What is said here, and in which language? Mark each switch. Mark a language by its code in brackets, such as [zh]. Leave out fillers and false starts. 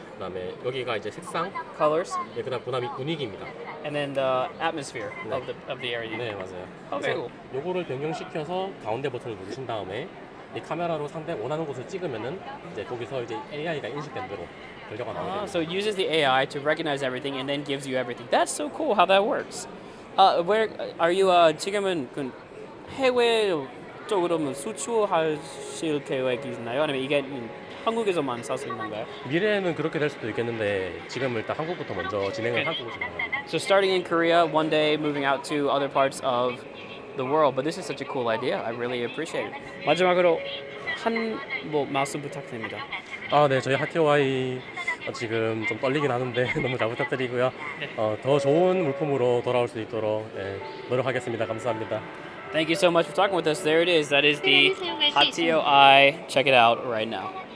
[ko] 그다음에 여기가 이제 색상. [en] Colors. [ko] 네, 그다음 분위기입니다. [en] And then the atmosphere [ko] 네. [en] of the area. [ko] 네, 맞아요. [en] Okay, cool. [ko] 요거를 변경시켜서 가운데 버튼을 누르신 다음에. 이 카메라로 상대 원하는 곳을 찍으면은 이제 거기서 이제 AI가 인식된 대로 결과가 나옵니다. [en] So it uses the AI to recognize everything and then gives you everything. That's so cool how that works. Where are you [ko] 지금은 그 해외 쪽으로 수출하실 계획이 있나요? 아니면 이게 한국에서만 살 수 있는 건가요? 미래에는 그렇게 될 수도 있겠는데 지금 일단 한국부터 먼저 진행을 하고 싶어요. [en] So starting in Korea, one day moving out to other parts of the world, but this is such a cool idea. I really appreciate it. [ko] 마지막으로 한 뭐 말씀 부탁드립니다. 아, 네. 저희 하티와이 지금 좀 떨리긴 하는데 너무 잘 부탁드리고요. 네. 더 좋은 물품으로 돌아올 수 있도록 예, 노력하겠습니다. 감사합니다. [en] Thank you so much for talking with us. There it is. That is the Hatioi. Check it out right now.